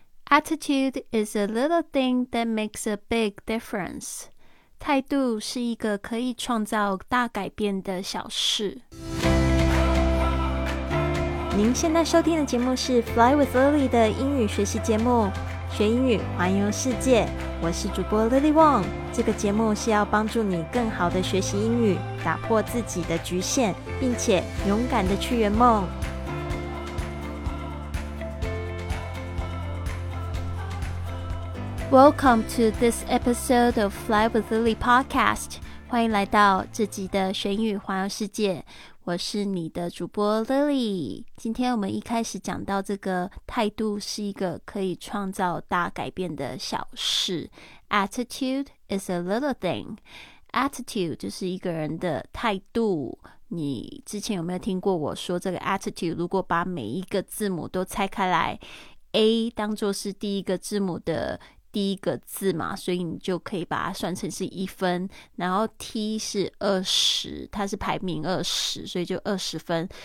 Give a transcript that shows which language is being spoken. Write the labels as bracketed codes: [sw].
[en] Attitude is a little thing that makes a big difference. [zh] 态度是一个可以创造大改变的小事。您现在收听的节目是 Fly with Lily 的英语学习节目，学英语，环游世界。我是主播 Lily Wong。这个节目是要帮助你更好的学习英语，打破自己的局限，并且勇敢的去圆梦。 [en] Welcome to this episode of Fly with Lily podcast. [zh] 欢迎来到这集的学英语环游世界。我是你的主播 Lily。今天我们一开始讲到这个态度是一个可以创造大改变的小事。 [en] Attitude is a little thing. [zh] Attitude 就是一个人的态度。你之前有没有听过我说这个 attitude 如果把每一个字母都拆开来， A 当作是第一个字母的第一个字嘛，所以你就可以把它算成是一分，然后 T 是20，它是排名20，所以就20分。